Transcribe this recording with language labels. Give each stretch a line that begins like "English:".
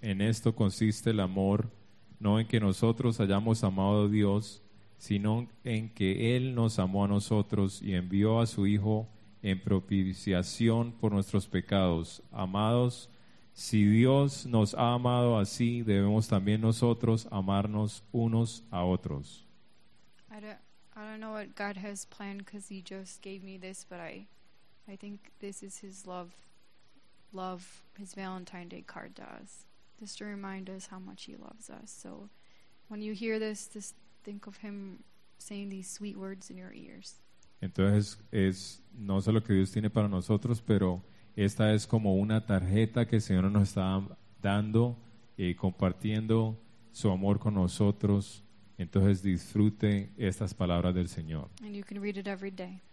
Spanish: En esto consiste el amor, no en que nosotros hayamos amado a Dios, sino en que Él nos amó a nosotros y envió a su Hijo en propiciación por nuestros pecados. Amados, si Dios nos ha amado así, debemos también nosotros amarnos unos a otros.
English: I don't know what God has planned because he just gave me this, but I think this is his love, his Valentine's Day card to us, just to remind us how much he loves us. So when you hear this, just think of him saying these sweet words in your ears.
Spanish: Entonces, es no sé lo que Dios tiene para nosotros, pero esta es como una tarjeta que el Señor nos está dando, compartiendo su amor con nosotros. Entonces, disfrute estas palabras del Señor.
English: And you can read it every day.